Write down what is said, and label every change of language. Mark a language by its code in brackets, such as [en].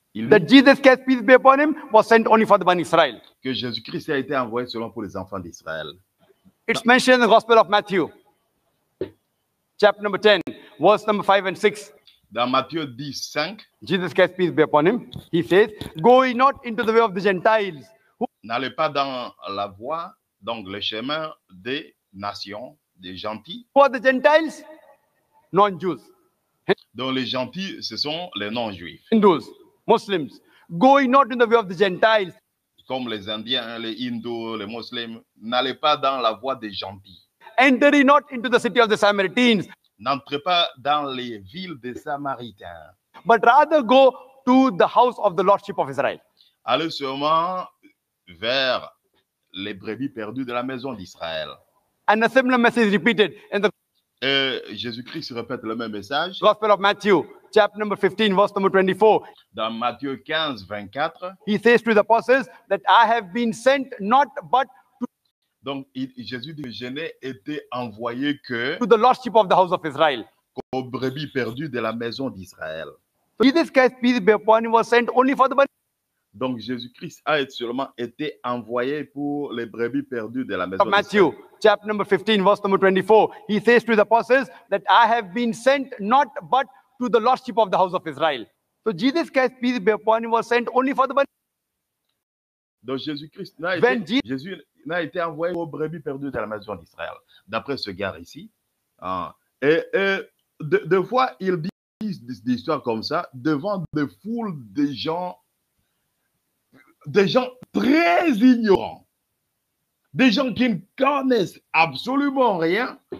[en] That Jesus Christ, peace be upon him, was sent only for the Bani Israël. [fr] Que Jésus-Christ a été envoyé seulement pour les enfants d'Israël. [en] It's mentioned in the Gospel of Matthew. Chapter number 10, verse number 5 and 6. [fr] Dans Matthieu 10, 5. [en] Jesus Christ, peace be upon him. He says, go ye not into the way of the Gentiles. [fr] N'allez pas dans la voie, donc le chemin des nations, des gentils. [en] Who are the Gentiles? Non-Jews. [fr] Donc les gentils, ce sont les non-Juifs. [en] Hindus, Muslims. Go ye not into the way of the Gentiles. [fr] Comme les Indiens, les Hindous, les Muslims. N'allez pas dans la voie des gentils. [en] Enter ye not into the city of the Samaritans. [fr] N'entrez pas dans les villes des Samaritains. [en] But rather go to the house of the Lordship of Israel. [fr] Allez seulement vers les brebis perdues de la maison d'Israël. [en] And a similar message repeated in the. [fr] Et Jésus-Christ répète le même message. [en] Gospel of Matthew, chapter number 15, verse number 24. [fr] Dans Matthieu 15, 24. [en] He says to the apostles that I have been sent not but. [fr] Donc, Jésus dit que je n'ai été envoyé que [en] to the lordship of the house of Israel. [fr] Qu'aux brebis perdues de la maison d'Israël. [en] Jesus Christ, peace be upon him, was sent only for the Bani. [fr] Donc, Jésus-Christ a seulement été envoyé pour les brebis perdues de la maison [en] d'Israël. Matthew, chapter number 15, verse number 24. He says to the apostles that I have been sent not but to the lordship of the house of Israel. So, Jesus Christ, peace be upon him, was sent only for the Bani. [fr] Donc Jésus-Christ n'a été envoyé aux brebis perdues de la maison d'Israël, d'après ce gars ici. Et des fois, ils disent des histoires comme ça devant des foules des gens très ignorants, des gens qui ne connaissent absolument rien.